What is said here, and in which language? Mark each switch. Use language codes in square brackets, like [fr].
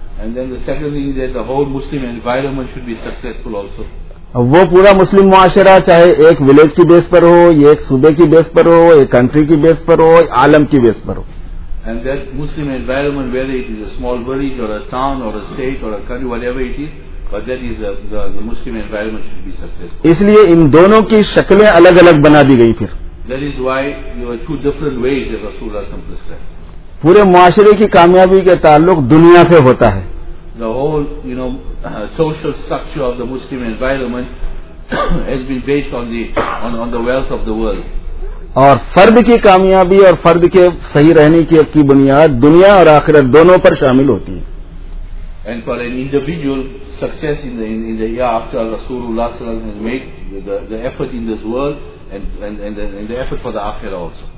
[en] And then the second thing is that the whole Muslim environment should be successful also. [ur] وہ پورا مسلم معاشرہ، چاہے ایک ولیج کی بیس پر ہو، ایک صوبے کی بیس پر ہو، ایک کنٹری کی بیس پر ہو، عالم کی بیس پر ہو. [en] And that Muslim environment, whether it is a small village or a town or a state or a country, whatever it is, but that is the Muslim environment should be successful. [ur] اس لیے ان دونوں کی شکلیں الگ الگ بنا دی گئی پھر. [en] That is why there are two different ways that Rasool Allah صلی اللہ علیہ وسلم prescribed. [ur] پورے معاشرے کی کامیابی کے تعلق دنیا سے ہوتا ہے. [en] The whole social structure of the Muslim environment has been based on the wealth of the world. [ur] اور فرد کی کامیابی اور فرد کے صحیح رہنے کی بنیاد دنیا اور آخرت دونوں پر شامل ہوتی ہے. [en] And for an individual success in the year after Rasulullah صلی اللہ علیہ وسلم has made the effort in this world and the effort for the akhirah also.